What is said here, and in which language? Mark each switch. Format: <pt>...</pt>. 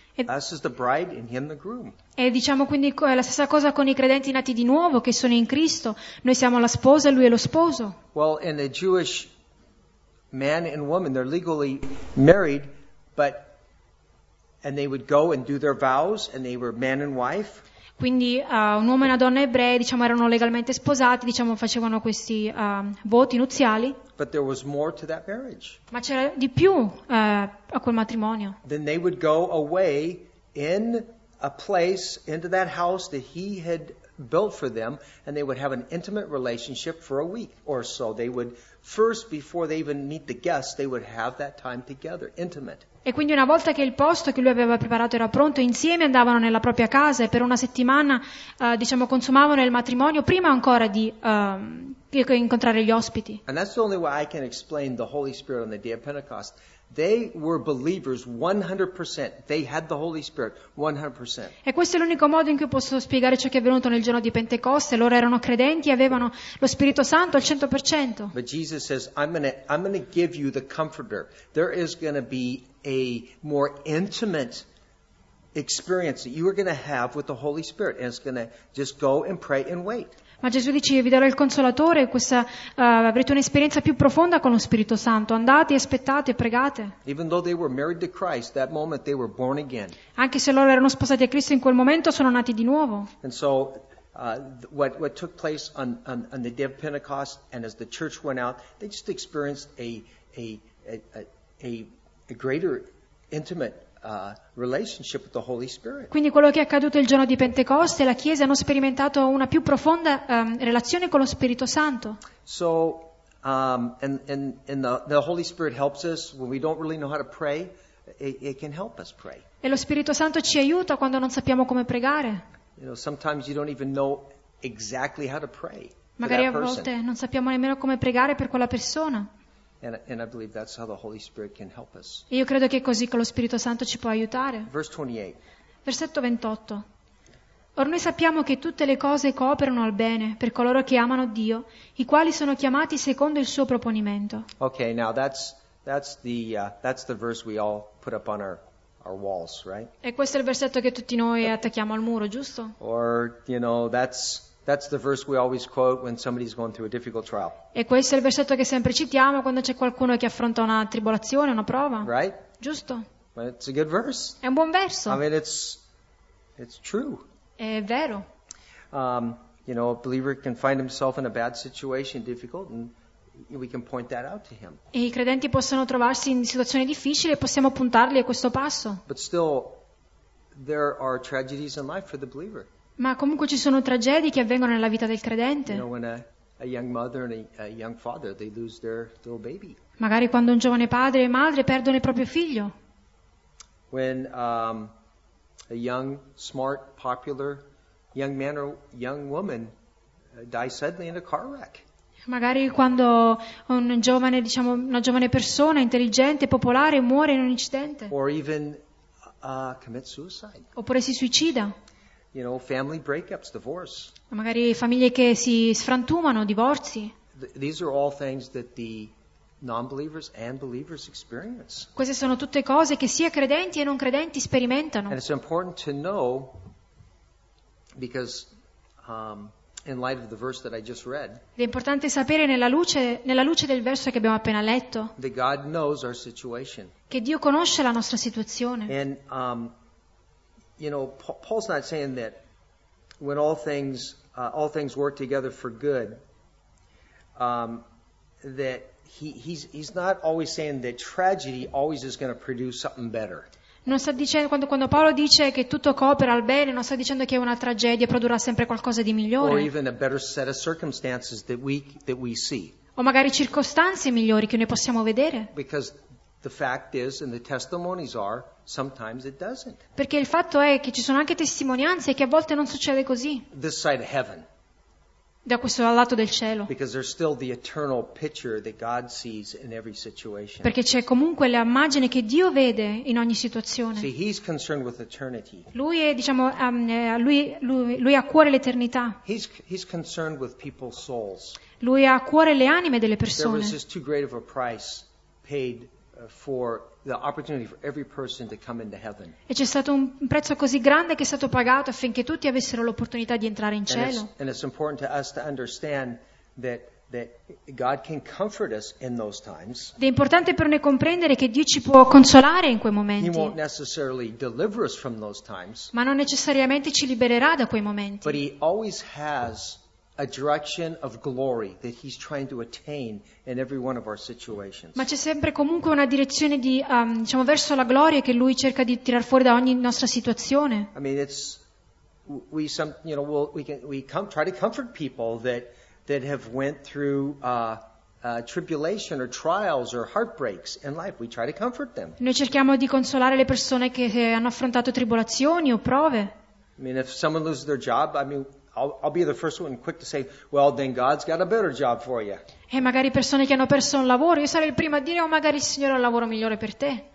<en>Us is the bride and him the groom.</en> <it>E diciamo quindi la stessa cosa con i credenti nati di nuovo che sono in Cristo. Noi siamo la sposa e lui è lo sposo.</it> <en>Well, in the Jewish man and woman, they're legally married, but and they would go and do their vows and they were man and wife.</en> <it>Quindi un uomo e una donna ebrei, diciamo, erano legalmente sposati, diciamo, facevano questi voti nuziali.</it> <en>But there was more to that marriage.</en> <it>Ma c'era di più a quel matrimonio.</it> <en>Then they would go away in a place into that house that he had built for them, and they would have an intimate relationship for a week or so. They would first, before they even meet the guests, they would have that time together, intimate.</en> <it>E quindi una volta che il posto che lui aveva preparato era pronto, insieme andavano nella propria casa e per una settimana, diciamo, consumavano il matrimonio prima ancora di incontrare gli ospiti.</it> <en>And that's the only way I can explain the Holy Spirit on the day of Pentecost. They were believers 100%. They had the Holy Spirit 100%.</en> <it>E questo è l'unico modo in cui posso spiegare ciò che è avvenuto nel giorno di Pentecoste. Loro erano credenti e avevano lo Spirito Santo al 100%.</it> <en>But Jesus says, I'm gonna give you the Comforter. There is gonna be a more intimate experience that you are gonna have with the Holy Spirit, and it's gonna just go and pray and wait.</en> <it>Ma Gesù dice, io vi darò il Consolatore, questa, avrete un'esperienza più profonda con lo Spirito Santo. Andate, aspettate, pregate.</it> <en>Even though they were married to Christ, that moment they were born again.</en> <it>Anche se loro erano sposati a Cristo, in quel momento sono nati di nuovo.</it> <en>And so, what took place on the day of Pentecost, and as the church went out, they just experienced a greater intimate relationship with the Holy Spirit.</en> <it>Quindi quello che è accaduto il giorno di Pentecoste, la Chiesa hanno sperimentato una più profonda relazione con lo Spirito Santo.</it> <en>So, and the Holy Spirit helps us when we don't really know how to pray. It can help us pray.</en> <it>E lo Spirito Santo ci aiuta quando non sappiamo come pregare.</it> <en>You know, sometimes you don't even know exactly how to pray.</en> <it>Magari a volte non sappiamo nemmeno come pregare per quella persona.</it> <en>And I believe that's how the Holy Spirit can help us.</en> <it>Io credo che così con lo Spirito Santo ci può aiutare.</it> <en>Verse 28.</en> <it>Versetto 28. Or noi sappiamo che tutte le cose cooperano al bene per coloro che amano Dio, i quali sono chiamati secondo il suo proponimento.</it> <en>Okay, now that's the verse we all put up on our walls, right?</en> <it>E questo è il versetto che tutti noi attacchiamo al muro, giusto?</it> <en>Or, you know, that's That's the verse we always quote when somebody's going through a difficult trial.</en> <it>E questo è il versetto che sempre citiamo quando c'è qualcuno che affronta una tribolazione, una prova.</it> <en>Right?</en> <it>Giusto.</it> <en>But it's a good verse.</en> <it>È un buon verso.</it> <en>I mean, it's true.</en> <it>È vero.</it> <en>You know, a believer can find himself in a bad situation, difficult, and we can point that out to him.</en> <it>E i credenti possono trovarsi in situazioni difficili e possiamo puntarli a questo passo.</it> <en>But still, there are tragedies in life for the believer.</en> <it>Ma comunque ci sono tragedie che avvengono nella vita del credente.</it> <en>You know, when a young mother and a young father, they lose their little baby.</en> <it>Magari quando un giovane padre e madre perdono il proprio figlio.</it> <en>When a young, smart, popular young man or young woman dies suddenly in a car wreck.</en> <it>Magari quando un giovane, diciamo, una giovane persona intelligente, popolare, muore in un incidente.</it> <en>Or even commit suicide.</en> <it>Oppure si suicida.</it> <en>You know, family breakups, divorce.</en> <it>Magari famiglie che si sfrantumano, divorzi.</it> <en>These are all things that the non-believers and believers experience.</en> <it>Queste sono tutte cose che sia credenti e non credenti sperimentano.</it> <en>And it's important to know, because in light of the verse that I just read.</en> <it>È importante sapere nella luce del verso che abbiamo appena letto.</it> <en>That God knows our situation.</en> <it>Che Dio conosce la nostra situazione.</it> <en>And you know, Paul's not saying that when all things work together for good, that he's not always saying that tragedy always is going to produce something better.</en> <it>Non sta dicendo, quando Paolo dice che tutto coopera al bene, non sta dicendo che una tragedia produrrà sempre qualcosa di migliore.</it> <en>Or even a better set of circumstances that we see.</en> <it>O magari circostanze migliori che noi possiamo vedere.</it> <en>Because the fact is, and the testimonies are, sometimes it doesn't.</en> <it>Perché il fatto è che ci sono anche testimonianze che a volte non succede così.</it> <en>This side of heaven.</en> <it>Da questo lato del cielo.</it> <en>Because there's still the eternal picture that God sees in every situation.</en> <it>Perché c'è comunque l'immagine che Dio vede in ogni situazione.</it> <en>See, he's concerned with eternity.</en> <it>Lui è, diciamo, lui ha a cuore l'eternità.</it> <en>He's concerned with people's souls.</en> <it>Lui ha a cuore le anime delle persone.</it> <en>There was just too great of a price paid for the opportunity for every person to come into heaven.</en> <it>E c'è stato un prezzo così grande che è stato pagato affinché tutti avessero l'opportunità di entrare in cielo.</it> <en>And it's important to us to understand that God can comfort us in those times.</en> <it>Ed è importante per noi comprendere che Dio ci può consolare in quei momenti.</it> <en>He won't necessarily deliver us from those times.</en> <it>Ma non necessariamente ci libererà da quei momenti.</it> <en>But he always has a direction of glory that he's trying to attain in every one of our situations.</en> <it>Ma c'è sempre comunque una direzione di diciamo verso la gloria che lui cerca di tirar fuori da ogni nostra situazione.</it> <en>I mean, we try to comfort people that have went through tribulation or trials or heartbreaks in life. We try to comfort them.</en> <it>Noi cerchiamo di consolare le persone che hanno affrontato tribolazioni o prove.</it> <en>I mean, if someone loses their job, I mean, I'll be the first one quick to say, well, then God's got a better job for you.</en> <it>E magari persone che hanno perso un lavoro, io sarei il primo a dire, oh, magari il Signore ha un lavoro migliore per te.</it>